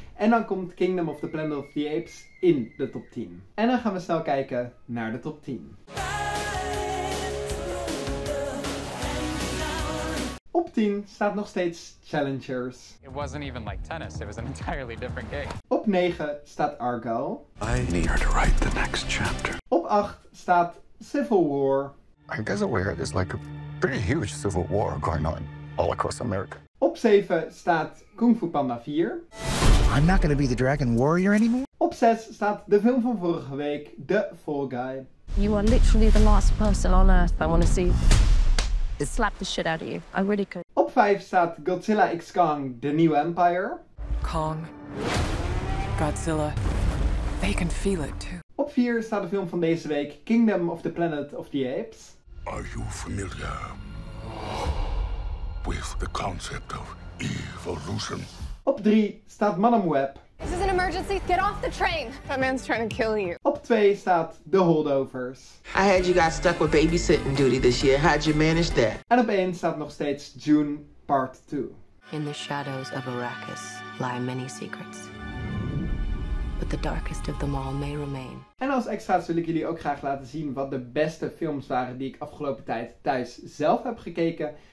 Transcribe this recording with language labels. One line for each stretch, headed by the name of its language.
Dutch: En dan komt Kingdom of the Planet of the Apes in de top 10. En dan gaan we snel kijken naar de top 10. Op 10 staat nog steeds Challengers.
English: It wasn't even like tennis, it was an entirely different game.
Dutch: Op 9 staat
English: Argo. I need her to write the next chapter.
Dutch: Op 8 staat
English: Civil War. I guess aware it is like a pretty huge civil war going on all across America.
Dutch: Op 7 staat Kung Fu Panda 4.
English: I'm not gonna be the dragon warrior anymore.
Dutch: Op 6 staat de film van vorige week, The Fall Guy.
English: You are literally the last person on earth I want to see. Slap the shit out of you. I really could.
Dutch: Op 5 staat
English: Godzilla X Kong, The New Empire. Kong, Godzilla, they can feel it too.
Dutch: Op 4 staat de film van deze week, Kingdom of the Planet of the Apes.
English: Are you familiar with the concept of evolution?
Dutch: Op 3 staat
English: Madam Web. This is an emergency. Get off the train. That man's trying to kill you.
Dutch: Op 2 staat The Holdovers.
English: I had you guys stuck with babysitting duty this year. How'd you manage that?
Dutch: En op 1 staat nog steeds June Part 2.
English: In the shadows of Arrakis lie many secrets. But the darkest of them all may remain.
Dutch: En als extra's wil ik jullie ook graag laten zien wat de beste films waren die ik afgelopen tijd thuis zelf heb gekeken.